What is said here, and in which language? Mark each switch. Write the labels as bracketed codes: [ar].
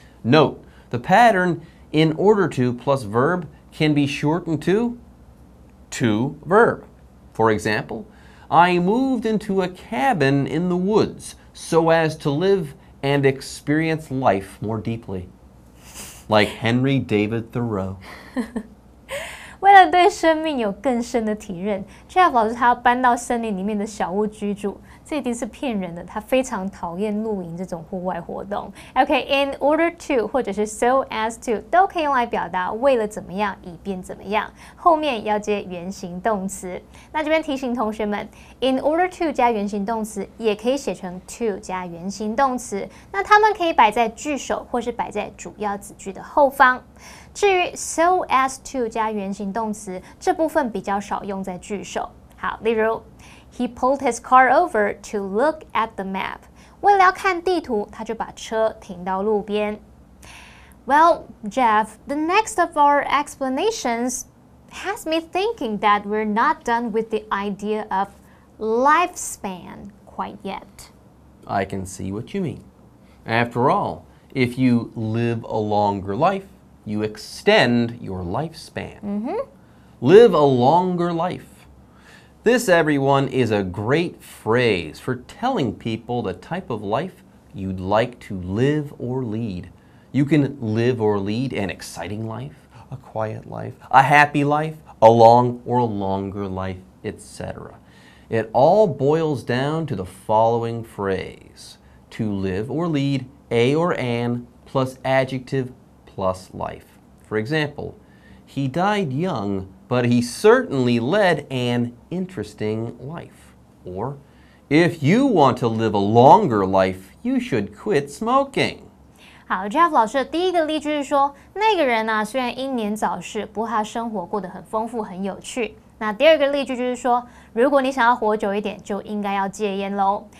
[en] Note, the pattern in order to plus verb can be shortened to verb. For example, I moved into a cabin in the woods so as to live and experience life more deeply. Like Henry David Thoreau. [zh] 为了对生命有更深的体认 ,Jeff 老师他要搬到森林里面的小屋居住。这一定是骗人的，他非常讨厌露营这种户外活动。 [en] Okay, [zh] in order to, 或者是 so as to, 都可以用来表达为了怎么样，以便怎么样。后面要接原形动词。那这边提醒同学们 ,in order to 加原形动词也可以写成 to 加原形动词。那他们可以摆在句首或是摆在主要子句的后方。至于 so as to 加原形动词这部分比较少用在句首。好，例如 [en] He pulled his car over to look at the map. [zh] 为了要看地图，他就把车停到路边。 [en] Well, Jeff, the next of our explanations has me thinking that we're not done with the idea of lifespan quite yet. I can see what you mean. After all, if you live a longer life, you extend your lifespan. Live a longer life. This, everyone, is a great phrase for telling people the type of life you'd like to live or lead. You can live or lead an exciting life, a quiet life, a happy life, a long or longer life, etc. It all boils down to the following phrase, to live or lead a or an plus adjective plus life. For example, he died young,But he certainly led an interesting life. Or, if you want to live a longer life, you should quit smoking. [zh] 好 ,Jeff 老师的第一个例句是说那个人啊虽然英年早逝不过他生活过得很丰富很有趣。那第二个例句就是说如果你想要活久一点就应该要戒烟咯。